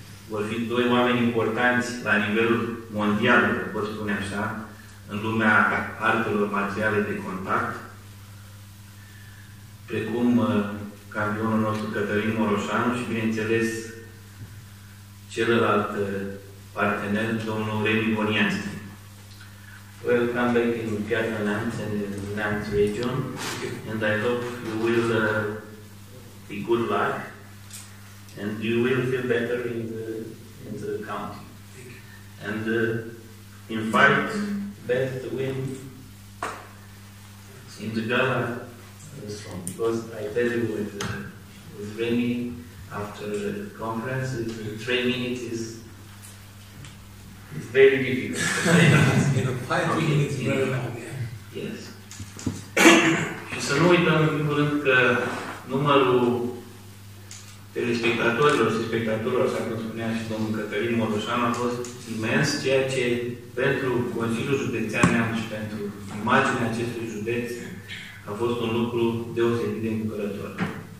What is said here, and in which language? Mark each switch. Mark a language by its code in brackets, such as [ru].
[ro] vor fi doi oameni importanți la nivel mondial, pot spune așa, în lumea artelor marțiale de contact, precum campionul nostru Cătălin Moroșanu și, bineînțeles, celălalt partener, domnul Remi Bonianski. [en] Welcome back in Piatra Neamț and in Neamț region, and I hope you will be good luck and you will feel better in the county. And in fight, best to win in the gala strong, because I tell you with Remy after the conference, the training is very difficult. In a 5 minutes, very long, yeah. Yes. [ro] Și să nu uităm, în primul rând, că numărul telespectatorilor și spectatorilor, așa cum spunea și domnul Cătălin Moroșan, a fost imens, ceea ce pentru Consiliul Județean Neamț și pentru imaginea acestui județ a fost un lucru deosebit de încurajator.